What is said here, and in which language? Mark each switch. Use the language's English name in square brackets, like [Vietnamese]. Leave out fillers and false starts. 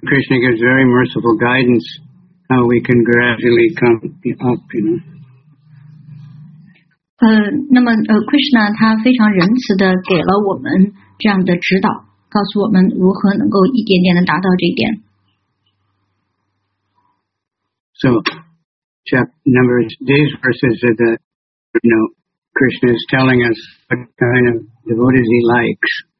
[English] Krishna gives very merciful guidance how we can gradually come up, you know. [Chinese] 那么Krishna他非常仁慈地给了我们这样的指导，告诉我们如何能够一点点地达到这一点。 [English] So, chapter numbers, these verses are the, you know, Krishna is telling us what kind of devotees he likes.